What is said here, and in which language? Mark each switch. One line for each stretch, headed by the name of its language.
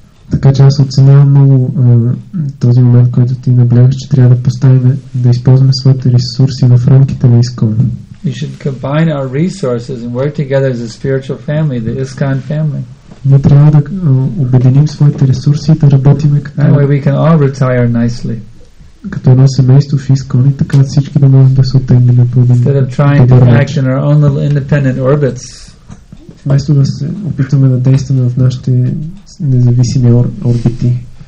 Bulgarian: Така че аз оценявам много този момент, който ти наблягаш, че трябва да поставим, да използваме своите ресурси в рамките на ISKCON.
English: We should combine our resources and work together as a spiritual family, the ISKCON family.
Bulgarian: Но трябва да обединим своите ресурси и да работим като.
English: That way we can all retire nicely.
Bulgarian: Като едно семейство в ISKCON, и така всички да можем да се оттеглим по един.
English: Instead of trying to act in our own little independent orbits.
Bulgarian: Вместо да се опитваме да действаме в нашите независими орбити.